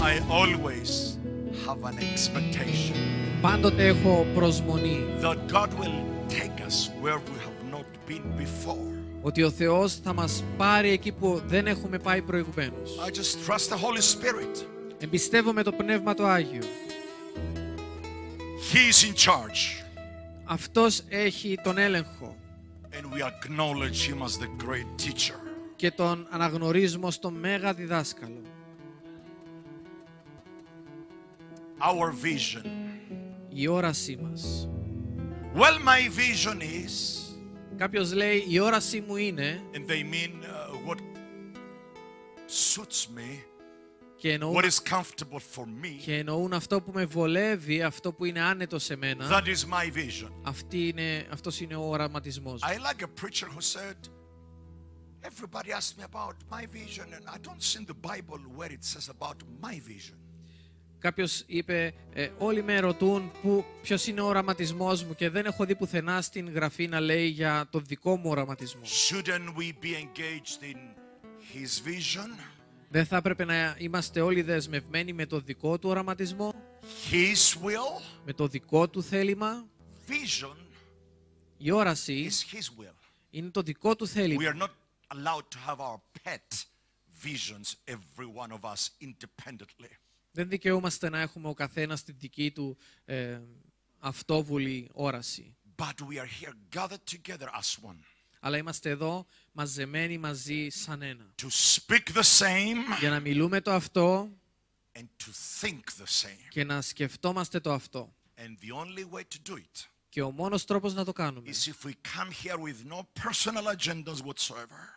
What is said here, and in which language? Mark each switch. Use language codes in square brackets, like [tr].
[en] always have an expectation. [el] Πάντοτε έχω προσμονή. [en] That God will take us where we have not been before. [el] Ότι ο Θεός θα μας πάρει εκεί που δεν έχουμε πάει προηγουμένως. [en] I just trust the Holy Spirit. [el] Εμπιστεύομαι το Πνεύμα το Άγιο. [en] He is in charge. [el] Αυτός έχει τον έλεγχο. [en] And we acknowledge him as the great teacher. [el] Και τον αναγνωρίζουμε ως τον μέγα διδάσκαλο. [en] Our vision. [el] Η όρασή μας. [en] Well, my vision is. [el] Κάποιος λέει η όρασή μου είναι. [en] And they mean what suits me. [el] Και εννοούν, [en] what is comfortable for me. [el] Και εννοούν αυτό που με βολεύει, αυτό που είναι άνετο σε μένα. [en] That is my vision. [el] Αυτή είναι, αυτός είναι ο οραματισμός. [en] I like a preacher who said, everybody asks me about my vision, and I don't see in the Bible where it says about my vision. [el] Κάποιος είπε, όλοι με ρωτούν ποιος είναι ο οραματισμός μου και δεν έχω δει πουθενά στην γραφή να λέει για το δικό μου οραματισμό. [en] Shouldn't we be engaged in his vision? [el] Δεν θα έπρεπε να είμαστε όλοι δεσμευμένοι με το δικό του οραματισμό? [en] His will? [el] Με το δικό του θέλημα? [en] Vision? [el] Η όραση [en] is his will. [el] Είναι το δικό του θέλημα. [en] We are not allowed to have our pet visions, every one of us, independently. [el] Δεν δικαιούμαστε να έχουμε ο καθένας τη δική του αυτόβουλη όραση. [en] But we are here gathered together as one. [el] Αλλά είμαστε εδώ μαζεμένοι μαζί σαν ένα. [en] To speak the same, [el] για να μιλούμε το αυτό [en] and to think the same. [el] Και να σκεφτόμαστε το αυτό. [en] And the only way to do it, [el] και ο μόνος τρόπος να το κάνουμε [en] is if we come here with no personal agendas whatsoever.